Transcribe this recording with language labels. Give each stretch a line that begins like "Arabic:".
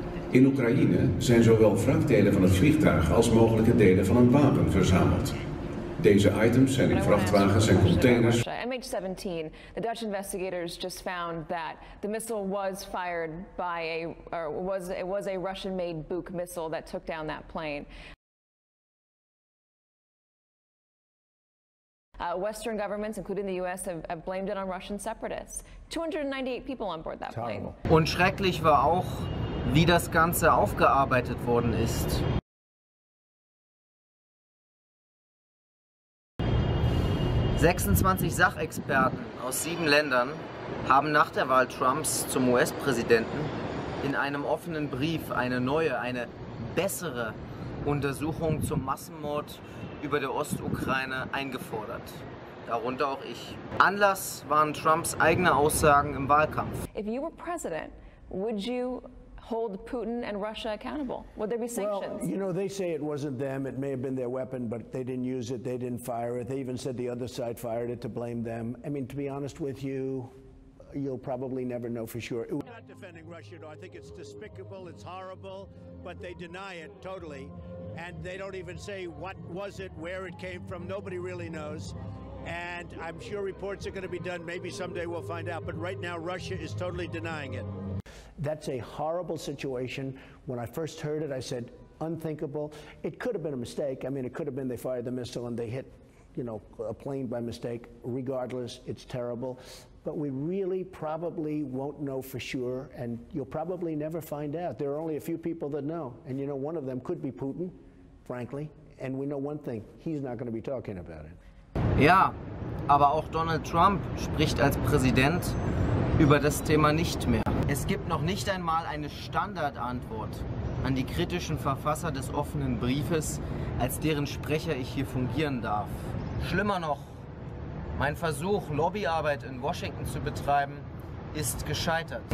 Dutch: In Oekraïne zijn zowel wrakdelen van het vliegtuig als mogelijke delen van een wapen verzameld. Deze items zijn in vrachtwagens en containers. MH17.
English: The Dutch investigators just found that the missile was fired by a or was it was a Russian-made Buk missile that took down that plane. Western governments, including the US, have blamed it on Russian separatists. 298 people on board that plane.
German: Und schrecklich war auch, wie das Ganze aufgearbeitet worden ist. 26 Sachexperten aus 7 Ländern haben nach der Wahl Trumps zum US-Präsidenten in einem offenen Brief eine neue, eine bessere Untersuchung zum Massenmord über der Ostukraine eingefordert. Darunter auch ich. Anlass waren Trumps eigene Aussagen im Wahlkampf.
English: If you were president, would you hold Putin and Russia accountable? Would there be sanctions? Well, you know, they say it wasn't them. It may have been their weapon, but they didn't use it. They didn't fire it. They even said the other side fired it to blame them. I mean, to be honest with you, you'll probably never know for sure. I'm not defending Russia, though. I think it's despicable, it's horrible, but they deny it totally. And they don't even say what was it, where it came from. Nobody really knows. And I'm sure reports are going to be done. Maybe someday we'll find out. But right now, Russia is totally denying it. That's a horrible situation. When I first heard it, I said, unthinkable. It could have been a mistake. I mean, it could have been they fired the missile and they hit, you know, a plane by mistake. Regardless, it's terrible. But we really probably won't know for sure, and you'll probably never find out. There are only a few people that know. And you know, one of them could be Putin, frankly. And we know one thing, he's not going to be talking about it.
German: Ja, aber auch Donald Trump spricht als Präsident über das Thema nicht mehr. Es gibt noch nicht einmal eine Standardantwort an die kritischen Verfasser des offenen Briefes, als deren Sprecher ich hier fungieren darf. Schlimmer noch, mein Versuch, Lobbyarbeit in Washington zu betreiben, ist gescheitert.